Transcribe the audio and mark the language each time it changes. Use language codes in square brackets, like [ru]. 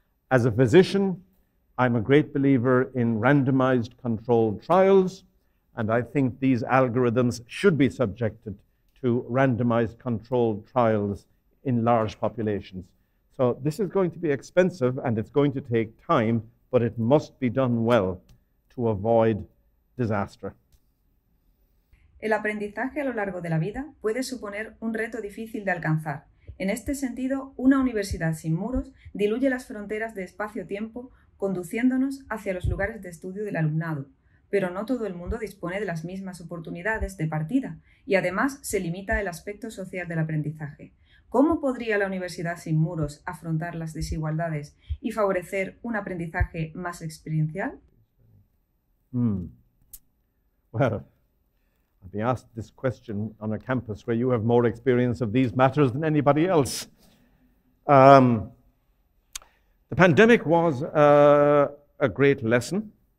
[en] As a physician, I'm a great believer in randomized controlled trials, and I think these algorithms should be subjected to randomized controlled trials in large populations. So this is going to be expensive and it's going to take time, but it must be done well to avoid disaster. [es] El aprendizaje a lo largo de la vida puede suponer un reto difícil de alcanzar. En este sentido, una universidad sin muros diluye las fronteras de espacio-tiempo, conduciéndonos hacia los lugares de estudio del alumnado. Pero no todo el mundo dispone de las mismas oportunidades de partida y además se limita el aspecto social del aprendizaje. ¿Cómo podría la universidad sin muros afrontar las desigualdades y favorecer un aprendizaje más experiencial? [en] I'd be asked this question on a campus where you have more experience of these matters than anybody else. The pandemic was a great lesson.